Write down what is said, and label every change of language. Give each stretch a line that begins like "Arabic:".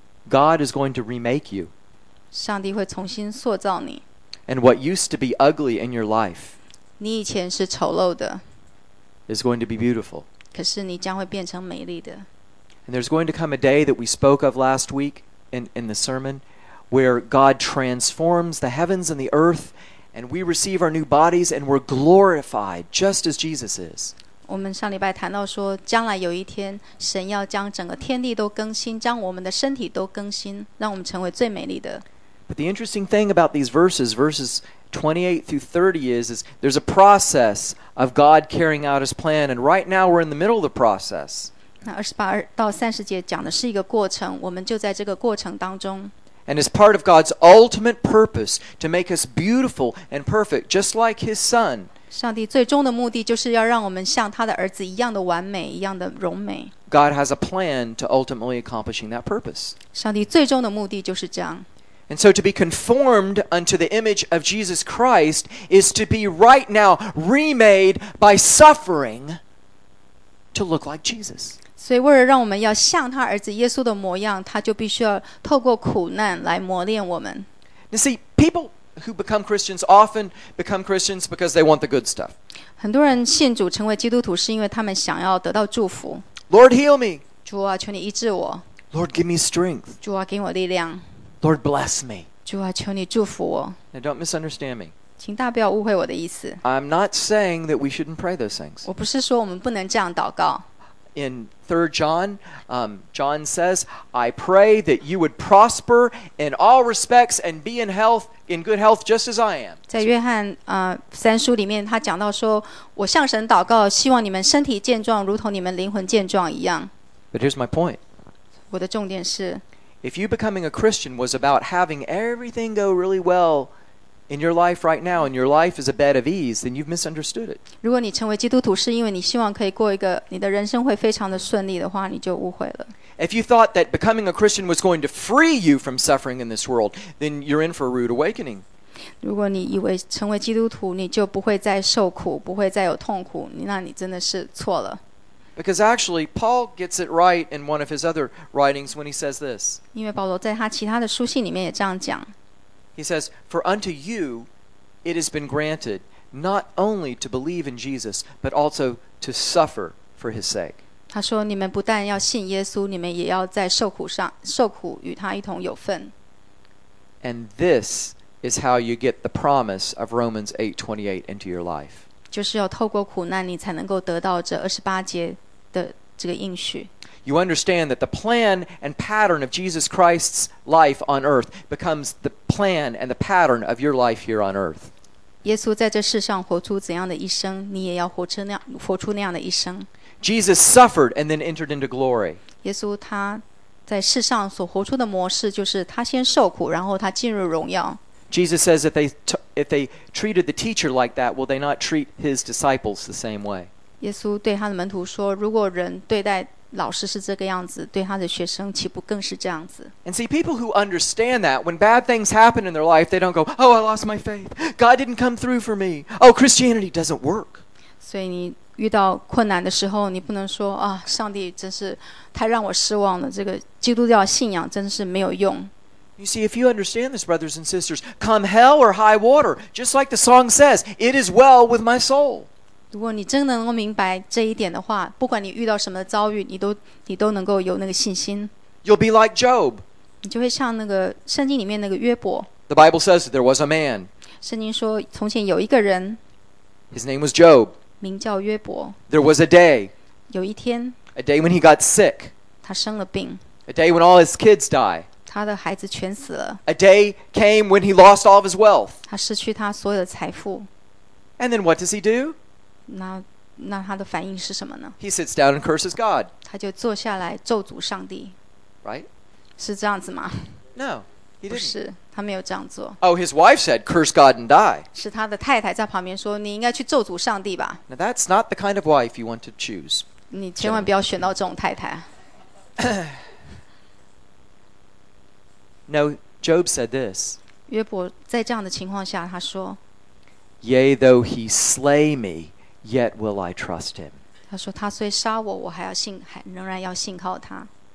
English: God is going to remake you.
Chinese: 上帝会重新塑造你。
English: And what used to be ugly in your life,
Chinese: 你以前是丑陋的。
English: Is going to be beautiful.
Chinese: 可是你将会变成美丽的。
English: And there's going to come a day that we spoke of last week in the sermon, where God transforms the heavens and the earth, and we receive our new bodies and we're glorified just as Jesus is.
Chinese: 我们上礼拜谈到说，将来有一天，神要将整个天地都更新，将我们的身体都更新，让我们成为最美丽的。
English: But the interesting thing about these verses, verses 28 through 30, is there's a process of God carrying out His plan, and right now we're in the middle of the process.
Chinese: 那28到30节讲的是一个过程，我们就在这个过程当中。
English: And as part of God's ultimate purpose to make us beautiful and perfect, just like His Son.
Chinese: 上帝最终的目的就是要让我们像他的儿子一样的完美，一样的荣美。
English: God has a plan to ultimately accomplishing that purpose.
Chinese: 上帝最终的目的就是这样。
English: And so to be conformed unto the image of Jesus Christ is to be right now remade by suffering to look like Jesus.
Chinese: 所以为了让我们要像他儿子耶稣的模样，他就必须要透过苦难来磨练我们。
English: You see, people... who become Christians often become Christians because they want the good stuff.
Chinese: 很多人信主成为基督徒是因为他们想要得到祝福。
English: Lord, heal me.
Chinese: 主啊，求你医治我。
English: Lord, give me strength.
Chinese: 主啊，给我力量。
English: Lord, bless me.
Chinese: 主啊，求你祝福我。
English: Now, don't misunderstand me.
Chinese: 请大家不要误会我的意思。
English: I'm not saying that we shouldn't pray those things.
Chinese: 我不是说我们不能这样祷告。
English: In 3 John, John says, I pray that you would prosper in all respects and be in health, in good health, just as I am.
Chinese: 在约翰三书里面，他讲到说，我向神祷告，希望你们身体健壮，如同你们灵魂健壮一样。
English: But here's my point.
Chinese: 我的重点是
English: If you becoming a Christian was about having everything go really well,In your life right now, and your life is a bed of ease, then you've misunderstood it.
Chinese: 如果你成为基督徒是因为你希望可以过一个你的人生会非常的顺利的话，你就误会了。
English: If you thought that becoming a Christian was going to free you from suffering in this world, then you're in for a rude awakening.
Chinese: 如果你以为成为基督徒你就不会再受苦，不会再有痛苦，那你真的是错了。
English: Because actually, Paul gets it right in one of his other writings when he says this.
Chinese: 因为保罗在他其他的书信里面也这样讲。
English: He says, for unto you it has been granted not only to believe in Jesus, but also to suffer for his sake.
Chinese: 他说你们不但要信耶稣你们也要在受苦上受苦与他一同有份。
English: And this is how you get the promise of Romans 8:28 into your life.
Chinese: 就是要透过苦难你才能够得到这二十八节的这个应许。
English: You understand that the plan and pattern of Jesus Christ's life on earth becomes the plan and the pattern of your life here on earth.
Chinese: 耶稣在这世上活出怎样的一生，你也要活出那样的一生。
English: Jesus suffered and then entered into glory.
Chinese: 耶稣他在世上所活出的模式就是他先受苦，然后他进入荣耀。
English: Jesus says that if they treated the teacher like that, will they not treat his disciples the same way?
Chinese: 耶稣对他的门徒说，如果人对待老师是这个样子，对他的学生岂不更是这样子？
English: And see, people who understand that, when bad things happen in their life, they don't go, oh, I lost my faith. God didn't come through for me. Oh, Christianity doesn't work.
Chinese: 所以你遇到困难的时候，你不能说啊，上帝真是太让我失望了，这个基督教信仰真是没有用。
English: You see, if you understand this, brothers and sisters, come hell or high water, just like the song says, it is well with my soul.
Chinese: 如果你真的能够明白这一点的话，不管你遇到什么遭遇，你都能够有那个信心。
English: You'll be like Job.
Chinese: 你就会像那个圣经里面那个约伯。
English: The Bible says that there was a man.
Chinese: 圣经说从前有一个人。
English: His name was Job.
Chinese: 名叫约伯。
English: There was a day.
Chinese: 有一天。
English: A day when he got sick.
Chinese: 他生了病。
English: A day when all his kids die.
Chinese: 他的孩子全死了。
English: A day came when he lost all of his wealth.
Chinese: 他失去他所有的财富。
English: And then what does he do?
Chinese: 那他的反应是什么呢？
English: He sits down and curses God.
Chinese: 他就坐下来咒诅上帝。
English: Right?
Chinese: 是这样子吗？
English: No, he didn't.
Chinese: 不是，他没有这样做。
English: Oh, his wife said, curse God and die.
Chinese: 是他的太太在旁边说，你应该去咒诅上帝吧。
English: Now that's not the kind of wife you want to choose.
Chinese: 你千万不要选到这种太太。
English: No, Job said this.
Chinese: 约伯在这样的情况下他说
English: Yea, though he slay me, yet will I trust him.
Chinese: 他说他虽杀我我还要信还仍然要信靠他。